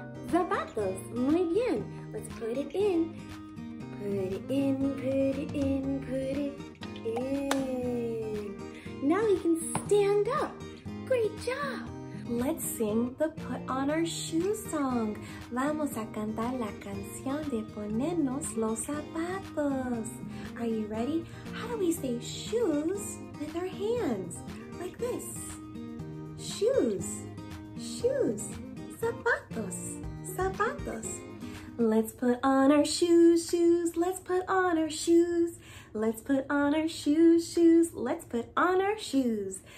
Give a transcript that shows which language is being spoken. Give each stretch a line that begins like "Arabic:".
Spanish: Zapatos, muy bien.
English: Let's put it in. Put it in, put it in, put it in. Now he can stand up. Great job. Let's sing the Put On Our Shoes song.
Spanish: Vamos a cantar la canción de ponernos los zapatos.
English: Are you ready? How do we say shoes with our hands? Like this. Shoes, shoes, zapatos, zapatos. Let's put on our shoes, shoes, let's put on our shoes. Let's put on our shoes, shoes, let's put on our shoes.